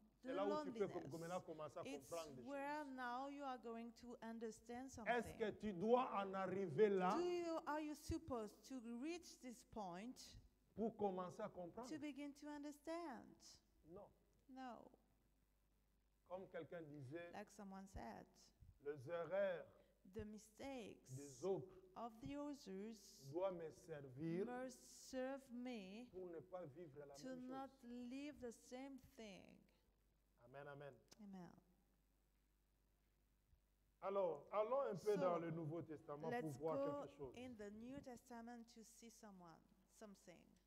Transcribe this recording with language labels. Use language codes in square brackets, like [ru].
[fr] C'est là où tu peux commencer à comprendre des choses. [en] It's where now you are going to understand something. [fr] Est-ce que tu dois en arriver là? [en] Do you, are you supposed to reach this point? [fr] Pour commencer à comprendre. [en] To begin to understand. [fr] Non. [en] No. [fr] Comme quelqu'un disait. [en] Like someone said. [fr] Les erreurs. [en] The mistakes. [fr] Des autres. [en] Of the others. [fr] Doit me servir. [en] Must serve me. [fr] Pour ne pas vivre la même chose. [en] To not live the same thing. [fr] Amen, amen. [en] Amen. [fr] Alors, allons un peu [en] so, [fr] dans le Nouveau Testament pour voir quelque chose. [en] Let's go in the New Testament to see someone, something.